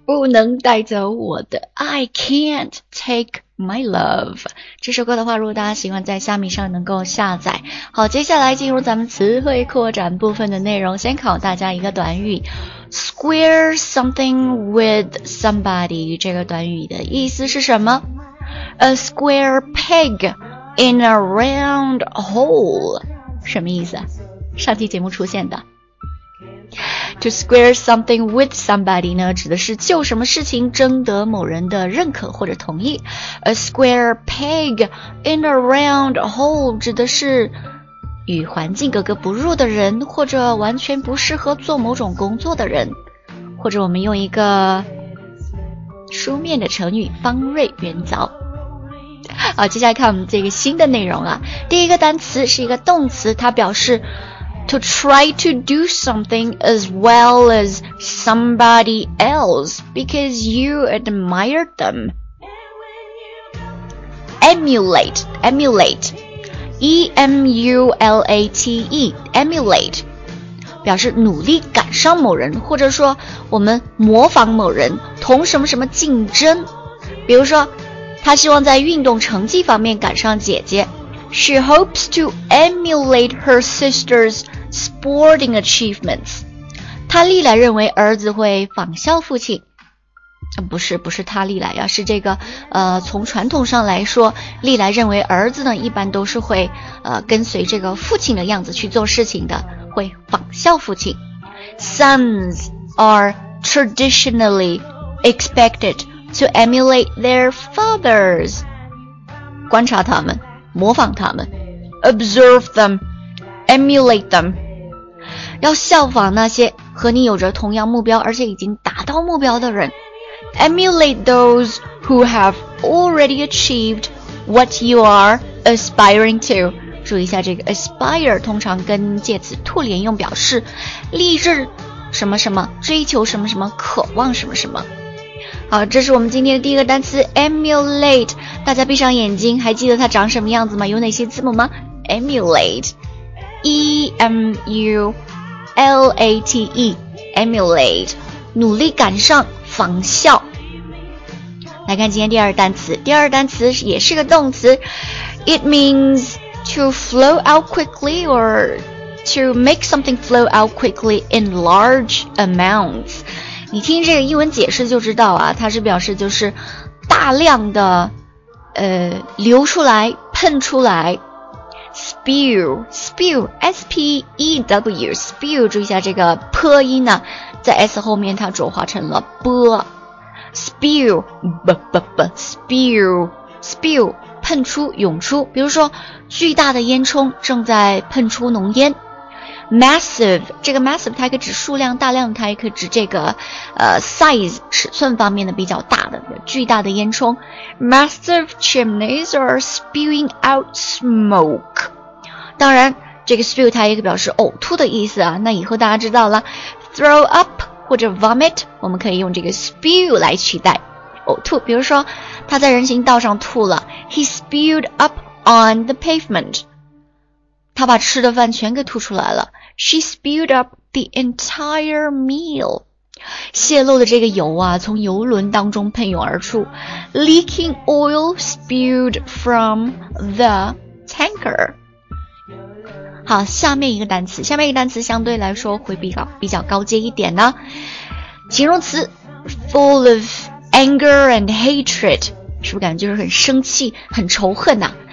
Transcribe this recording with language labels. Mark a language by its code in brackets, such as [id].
[zh] 能带走我的 I can't take my love 这首歌的话，如果大家喜欢，在虾米上能够下载。好，接下来进入咱们词汇扩展部分的内容，先考大家一个短语， square something with somebody，这个短语的意思是什么？ [en] A square peg in a round hole，什么意思？ [zh] 上期节目出现的 To square something with somebody 呢，指的是就什么事情征得某人的认可或者同意。 A square peg in a round hole 指的是与环境格格不入的人，或者完全不适合做某种工作的人。或者我们用一个书面的成语，方锐圆凿。好，接下来看我们这个新的内容啊。 [en] 第一个单词是一个动词，它表示 To try to do something as well as somebody else because you admire them. Emulate. E-M-U-L-A-T-E. Emulate. [zh] 表示努力赶上某人，或者说我们模仿某人，同什么什么竞争。比如说，他希望在运动成绩方面赶上姐姐。 [en] She hopes to emulate her sister's sporting achievements. [zh] 他历来认为儿子会仿效父亲。不是，不是他历来，要是这个从传统上来说，历来认为儿子呢一般都是会跟随这个父亲的样子去做事情的，会仿效父亲。 [en] Sons are traditionally expected to emulate their fathers. [zh] 观察他们，模仿他们。 [en] Observe them, emulate them. [zh] 要效仿那些和你有着同样目标而且已经达到目标的人。 [en] Emulate those who have already achieved what you are aspiring to. [zh] 注意一下这个 aspire 通常跟介词 to 连用，表示励志什么什么，追求什么什么，渴望什么什么。好，这是我们今天的第一个单词 emulate。大家闭上眼睛，还记得它长什么样子吗？有哪些字母吗？ [en] emulate E-M-U-L-A-T-E emulate，努力赶上，仿效。来看今天第二单词，第二单词也是个动词， It means to flow out quickly or to make something flow out quickly in large amounts。 [zh] 你听这个英文解释就知道啊，它是表示就是大量的流出来，喷出来。 spew S-P-E-W spew， 注意一下这个泼音呢，在 S 后面它浊化成了波。 [en] Spew, spew, spew, 喷出，涌出。 [zh] 比如说，巨大的烟囱正在喷出浓烟。 Massive, 这个 massive 它可以指数量，大量它也可以指这个size 尺寸方面的比较大的巨大的烟囱。 [en] Massive chimneys are spewing out smoke. [zh] 当然，这个 spew 它也可以表示呕吐的意思啊。那以后大家知道了 ，throw up。或者 vomit， 我们可以用这个 spew 来取代呕吐。比如说他在人行道上吐了， He spewed up on the pavement，他把吃的饭全给吐出来了。 She spewed up the entire meal，泄露的这个油啊从油轮当中喷涌而出。 [en] Leaking oil spewed from the tanker。 [zh] 好，下面一个单词，下面一个单词相对来说会比较高阶一点呢，形容词 full of anger and hatred，是不是感觉就是很生气很仇恨啊。